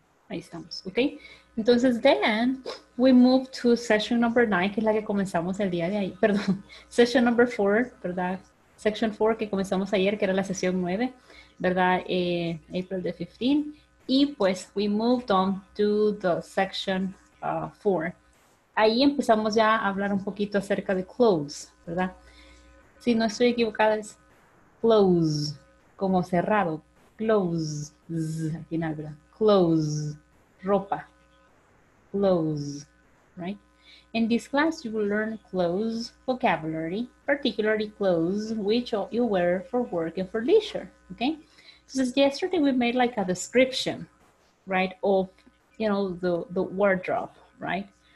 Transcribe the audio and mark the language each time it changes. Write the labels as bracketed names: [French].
[Spanish] Ahí estamos, ¿ok? Entonces, [English] then we move to session number 9, [Spanish] que es la que comenzamos el día de ahí. Perdón, [English] session number 4, ¿verdad? Section 4 [Spanish] que comenzamos ayer, que era la sesión 9, ¿verdad? [English] April the 15th. [Spanish] Y pues, [English] we moved on to the section 4. [Spanish] Ahí empezamos ya a hablar un poquito acerca de close, ¿verdad? Si no estoy equivocada, es close, como cerrado. Close, z, al final, ¿verdad? Close, ropa. Close, [English] right? In this class, you will learn clothes vocabulary, particularly clothes which you wear for work and for leisure, okay? Since yesterday we made like a description, right, of, you know, the wardrobe, right?